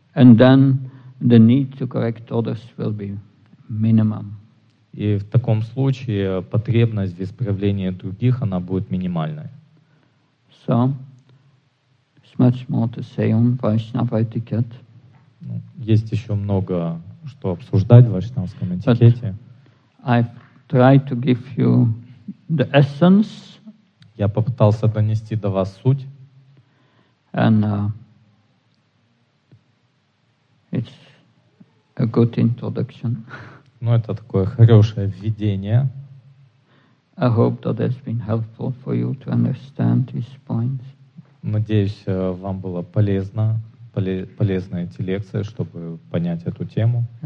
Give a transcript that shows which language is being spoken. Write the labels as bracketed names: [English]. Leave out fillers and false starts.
[English] And then the need to correct others will be minimum. [Russian] И в таком случае потребность в исправлении других она будет минимальной. [English] So, there's much more to say on Vaishnava etiquette. [Russian] Есть еще много, что обсуждать в вайшнавском этикете. Я попытался донести до вас суть. [English] And, it's a good introduction. [Russian] Ну, это такое хорошее введение. [English] I hope that it's been helpful for you to understand these points. [Russian] Надеюсь, вам было полезно. Полезные эти лекции, чтобы понять эту тему.